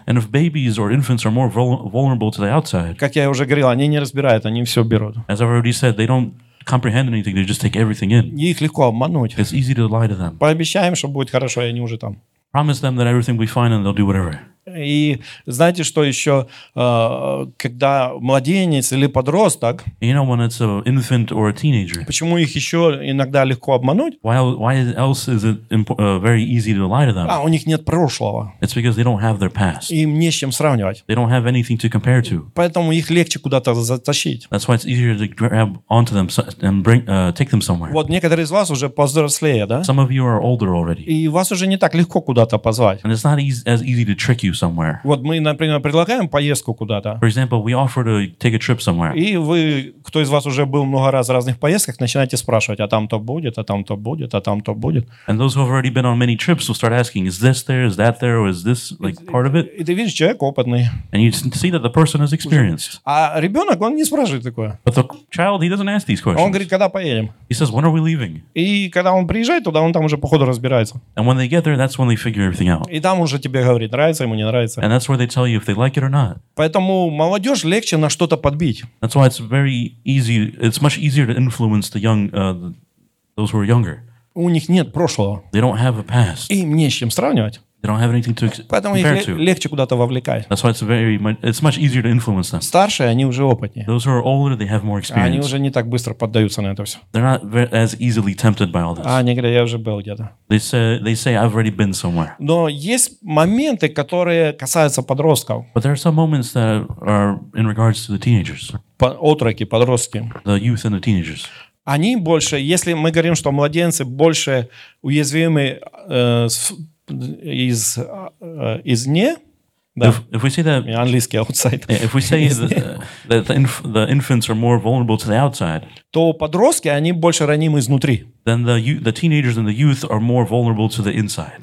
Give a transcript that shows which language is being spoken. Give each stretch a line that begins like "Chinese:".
English: And if babies or infants are more vulnerable to the outside.
Russian: Как я уже говорил, они не разбирают, они все берут.
English: As I've already said, they don't comprehend anything, they just take everything in.
Russian: Их легко обмануть.
English: It's easy to lie to them.
Russian: Пообещаем, что будет хорошо, и они уже там.
English: Promise them that everything will be fine and they'll do whatever.
Russian: И знаете, что еще, когда младенец или подросток,
English: you know, when it's an infant or a teenager,
Russian: почему их еще иногда легко обмануть?
English: Why else is it very easy to lie to them?
Russian: А, у них нет прошлого.
English: It's because they don't have their past.
Russian: Им не с чем сравнивать.
English: They don't have anything to compare to.
Russian: Поэтому их легче куда-то затащить.
English: That's why it's easier to grab onto them and bring, take them somewhere.
Russian: Вот некоторые из вас уже повзрослее, да?
English: Some of you are older already.
Russian: И вас уже не так легко куда-то позвать.
English: And it's not as easy to trick you somewhere.
Russian: Вот мы, например, предлагаем поездку куда-то.
English: For example, we offer to take a trip somewhere.
Russian: И вы, кто из вас уже был много раз в разных поездках, начинаете спрашивать, а там то будет, а там то будет, а там то будет.
English: And those who have already been on many trips will start asking, is this there, is that there, or is this like part of it?
Russian: И ты видишь, человек опытный.
English: And you see that the person is experienced.
Russian: А ребенок, он не спрашивает такое.
English: But the child, he doesn't ask these questions.
Russian: Он говорит, когда поедем.
English: He says, when are we leaving?
Russian: И когда он приезжает туда, он там уже по ходу разбирается.
English: And when they get there, that's when they figure everything out.
Russian: И там уже тебе говорит, нравится ему, не нравится.
English: And that's where they tell you if they like it or not.
Russian: Поэтому молодежь легче на что-то подбить.
English: That's why it's very easy, it's much easier to influence the young, those who are younger.
Russian: У них нет прошлого.
English: They don't have a past.
Russian: Им не с чем сравнивать.
English: They don't have anything to compare to.
Russian: Поэтому их легче куда-то вовлекать.
English: That's why it's very, it's much easier to influence them.
Russian: Старшие, они уже опытнее.
English: Those who are older, they have more experience.
Russian: Они уже не так быстро поддаются на это все.
English: They're not as easily tempted by all this.
Russian: А, они говорят, я уже был где-то.
English: They say, I've already been somewhere.
Russian: Но есть моменты, которые касаются подростков.
English: But there are some moments that are in regards to the teenagers.
Russian: Отроки, подростки.
English: The youth and the teenagers.
Russian: Они больше, если мы говорим, что младенцы больше уязвимы извне, да,
English: if we say that,
Russian: английский outside.
English: Yeah, if we say the infants are more vulnerable to the outside,
Russian: то подростки, они больше ранимы изнутри.
English: Then the teenagers and the youth are more vulnerable to the inside.